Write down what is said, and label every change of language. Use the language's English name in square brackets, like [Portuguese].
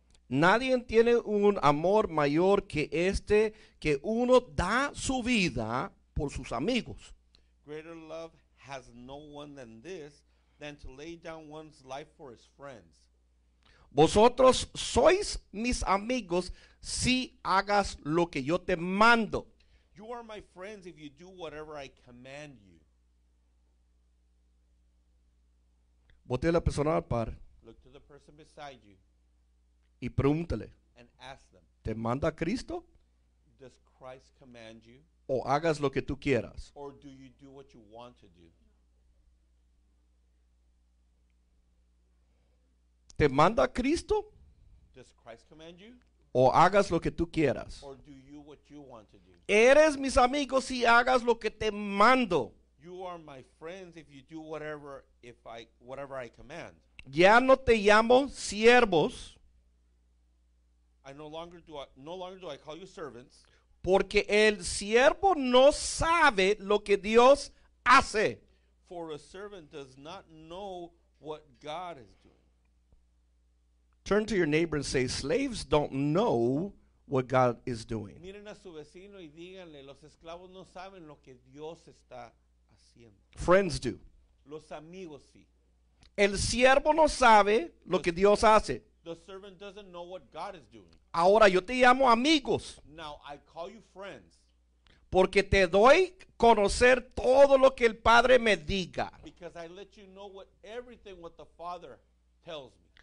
[Spanish] Nadie tiene un amor mayor que este, que uno da su vida por sus amigos. [English] Greater love has no one than this, than to lay down one's life for his friends. [Spanish] Vosotros sois mis amigos si hagas lo que yo te mando. [English] You are my friends if you do whatever I command you. [Spanish] Voltea a la persona al par. [English] Look to the person beside you. [Spanish] Y pregúntale. [English] And ask them, [Spanish] ¿te manda Cristo? [English] Does Christ command you? [Spanish] O hagas lo que tú quieras. [English] Or do you do what you want to do? [Spanish] ¿Te manda Cristo? [English] Does Christ command you? [Spanish] O hagas lo que tú quieras. [English] Or do you what you want to do? [Spanish] Eres mis amigos si hagas lo que te mando. [English] You are my friends if you do whatever I command. [Spanish] Ya no te llamo siervos. [English] No longer do I call you servants. [Spanish] Porque el siervo no sabe lo que Dios hace. [English] For a servant does not know what God is doing. Turn to your neighbor and say, slaves don't know what God is doing. [Spanish] Miren a su vecino y díganle, los esclavos no saben lo que Dios está haciendo. [English] Friends do. [Spanish] Los amigos sí. El siervo no sabe lo que Dios hace. [English] The servant doesn't know what God is doing. [Spanish] Ahora yo te llamo amigos. [English] Now I call you friends. [Spanish] Porque te doy conocer todo lo que el Padre me diga. [English] Because I let you know what everything what the Father tells me.